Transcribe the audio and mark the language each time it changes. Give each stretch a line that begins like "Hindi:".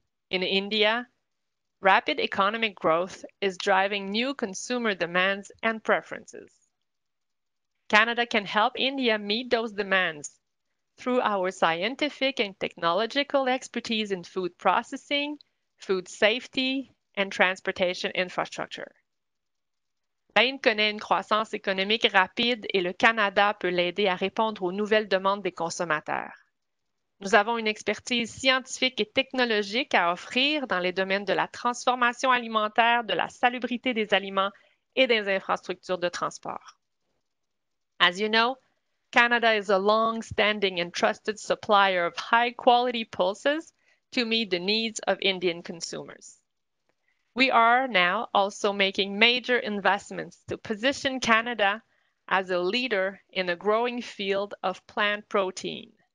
English: In India, rapid economic growth is driving new consumer demands and preferences. Canada can help India meet those demands through our scientific and technological expertise in food processing, food safety, and transportation infrastructure.
French: L'Inde connaît une croissance économique rapide et le Canada peut l'aider à répondre aux nouvelles demandes des consommateurs. Nous avons une expertise scientifique et technologique à offrir dans les domaines de la transformation alimentaire, de la salubrité des aliments et des infrastructures de transport.
English: As you know, Canada is a long-standing and trusted supplier of high-quality pulses to meet the needs of Indian consumers. We are now also making major investments to position Canada as a leader in a growing field of plant protein.